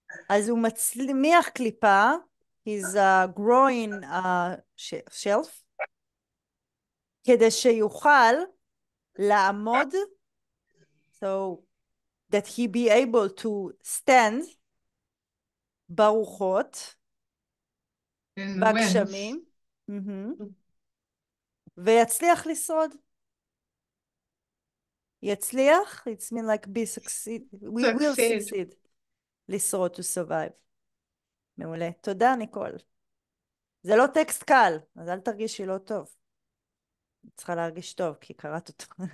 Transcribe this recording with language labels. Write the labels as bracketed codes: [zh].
[he] אז הוא מצמיח קליפה, [en] he's growing a shelf, [he] כדי שיוכל לעמוד, [en] so that he be able to stand [he] ברוחות, בגשמים, ויצליח לשרוד. [en] יצליח, it's mean like be succeed, we will succeed. [he] לשרוד, [en] to survive. [he] מעולה. תודה, ניקול. זה לא טקסט קל, אז אל תרגישי לא טוב. צריכה להרגיש טוב, כי קראת אותו.